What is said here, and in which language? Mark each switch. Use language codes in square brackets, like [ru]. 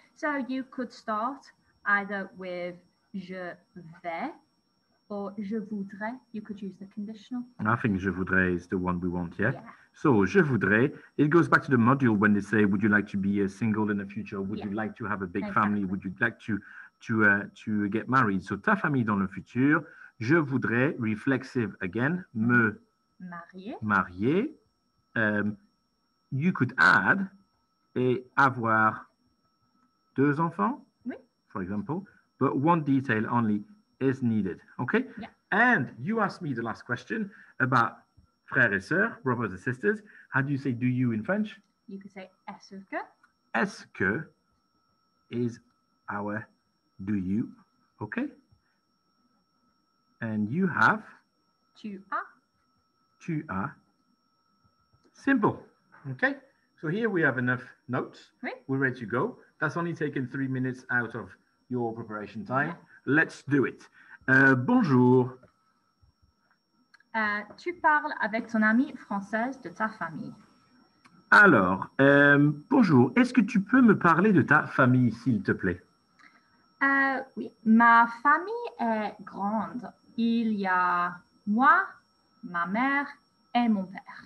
[en] So you could start either with [fr] je vais [en] or [fr] je voudrais. [en] You could use the conditional. I think [fr] je voudrais [en] is the one we want, yeah? Yeah. So [fr] je voudrais, [en] it goes back to the module when they say, would you like to be single in the future? Would you like to have a big family? Would you like to get married? So [fr] ta famille dans le futur, je voudrais, [en] reflexive again, [fr] me marier. [en] You could add [fr] et avoir deux enfants. [en] For example, but one detail only is needed. Okay. Yeah. And you asked me the last question about [fr] frères et sœurs, [en] brothers and sisters. How do you say do you in French? You could say [fr] est-ce que. Est-ce que [en] is our do you. Okay. And you have. [fr] Tu as. Tu as. Simple. Okay. [en] So here we have enough notes. [fr] Oui. [en] We're ready to go. That's only taken 3 minutes out of your preparation time. Let's do it. Bonjour. [fr] Tu parles avec ton amie française de ta famille. Alors, bonjour. Est-ce que tu peux me parler de ta famille, s'il te plaît? Oui. Ma famille est grande. Il y a moi, ma mère et mon père.